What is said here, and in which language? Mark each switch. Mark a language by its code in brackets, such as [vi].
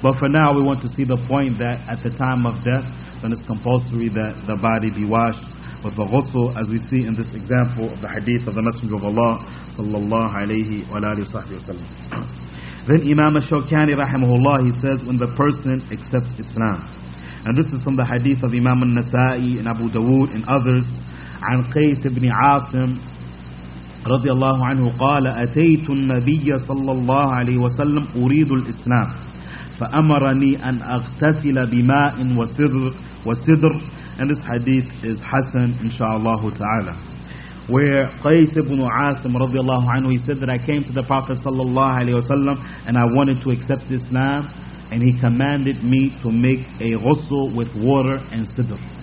[en] But for now, we want to see the point that at the time of death, then it's compulsory that the body be washed with the ghusl, as we see in this example of the hadith of the Messenger of Allah sallallahu alayhi wa alihi wa sallam. Then Imam al-Shawkani rahimahullah, he says, when the person accepts Islam. And this is from the hadith of Imam al-Nasa'i and Abu Dawood and others. [ar] عن قيس بن عاصم رضي الله عنه قال أتيت النبي صلى الله عليه وسلم أريد الإسلام فأمرني أن أغتسل بماء وسدر. [en] And this hadith is Hassan inshallah ta'ala, where قيس بن عاصم [ar] رضي الله عنه, [en] he said that I came to the Prophet [ar] صلى الله عليه وسلم [en] and I wanted to accept Islam, and he commanded me to make a ghusl with water and sidr.